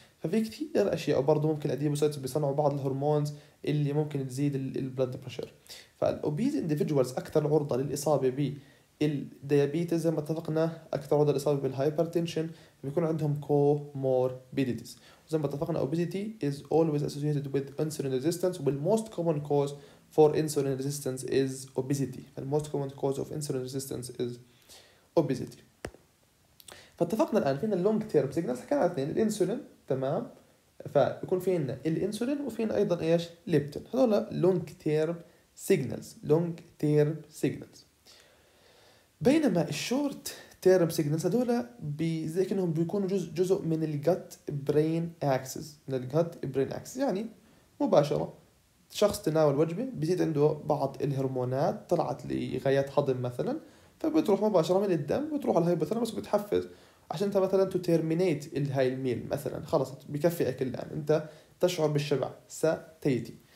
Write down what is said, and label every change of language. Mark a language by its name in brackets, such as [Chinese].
[Arabic] ففي كثير اشياء، وبرضه ممكن الاديبوسايتس بيصنعوا بعض الهرمونز اللي ممكن تزيد البلد بريشر. فالاوبيز انديفيدجوالز اكثر عرضه للاصابه بالديابيتس زي ما اتفقنا، اكثر عرضه للاصابه بالهايبرتنشن، بيكون عندهم كوموربيديتيز. زي ما اتفقنا [English] obesity is always associated with insulin resistance. The most common cause for insulin resistance is obesity. The most common cause of insulin resistance is obesity. [Arabic] فاتفقنا الآن فينا long term. زي ما حكينا على اثنين، الانسولين، تمام، فيكون فينا الانسولين وفينا أيضا إيش؟ ليبتين. هذولا [English] long term signals. Long term signals. [Arabic] بينما الشورت تيرم سيجنالز هذول زي كأنهم بيكونوا جزء من الجت برين اكسس، من الجت برين اكسس، يعني مباشره شخص تناول وجبه بيزيد عنده بعض الهرمونات طلعت لغايات هضم مثلا، فبتروح مباشره من الدم بتروح على الهايبوثالامس وبتحفز عشان انت مثلا تيرمينيت هاي الميل مثلا، خلص بكفي اكل الان، انت تشعر بالشبع ساتيتي.